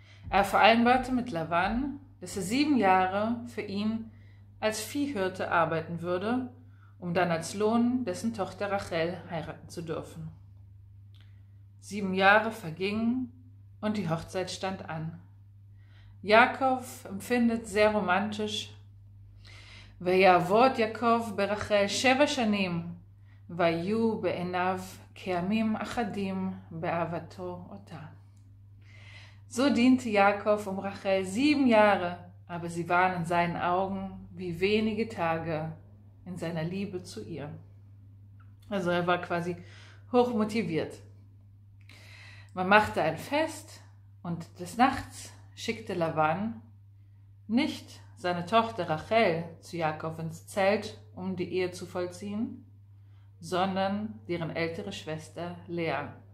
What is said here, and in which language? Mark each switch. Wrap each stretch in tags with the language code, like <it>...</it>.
<de>Er vereinbarte mit Laban, dass er 7 Jahre für ihn als Viehhirte arbeiten würde, um dann als Lohn dessen Tochter Rachel heiraten zu dürfen. 7 Jahre vergingen und die Hochzeit stand an. Jakob empfindet sehr romantisch,</de> <he>ויעבוד יעקב ברחל 7 שנים, ויהיו בעיניו כימים אחדים באהבתו אותה.</he> <de>So diente Jakob um Rachel 7 Jahre, aber sie waren in seinen Augen wie wenige Tage in seiner Liebe zu ihr. Also er war quasi hochmotiviert. Man machte ein Fest und des Nachts schickte Laban nicht seine Tochter Rachel zu Jakob ins Zelt, um die Ehe zu vollziehen, sondern deren ältere Schwester Lea.</de>